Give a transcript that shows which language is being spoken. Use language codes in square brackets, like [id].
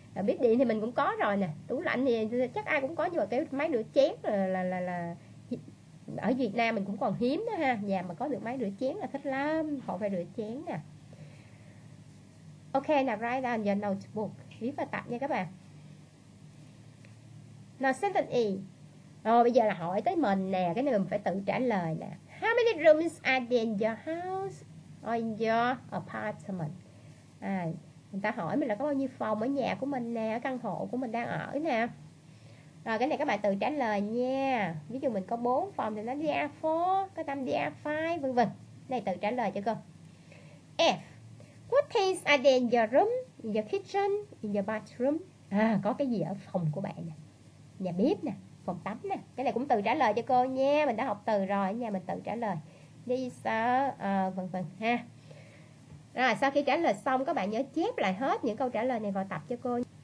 [vi] Là bếp điện thì mình cũng có rồi nè. Tủ lạnh thì chắc ai cũng có, nhưng mà cái máy rửa chén là ở Việt Nam mình cũng còn hiếm đó ha. Nhà mà có được máy rửa chén là thích lắm. Họ phải rửa chén nè. [en] Ok, now write down your notebook, [vi] viết vào tập nha các bạn. [en] Now sentence E. [vi] Rồi bây giờ là hỏi tới mình nè. Cái này mình phải tự trả lời nè. [en] How many rooms are there in your house or in your apartment? [vi] À, người ta hỏi mình là có bao nhiêu phòng ở nhà của mình nè, ở căn hộ của mình đang ở nè. Rồi cái này các bạn tự trả lời nha. Ví dụ mình có 4 phòng thì nó đi A4, có 5 đi A5, v.v. Này tự trả lời cho cô. F. [en] What things are there in your room, in your kitchen, in your bathroom? [vi] À, có cái gì ở phòng của bạn nè? Nhà bếp nè, phòng tắm nè. Cái này cũng tự trả lời cho cô nha. Mình đã học từ rồi, ở nhà mình tự trả lời. These v.v. ha. Rồi sau khi trả lời xong, các bạn nhớ chép lại hết những câu trả lời này vào tập cho cô.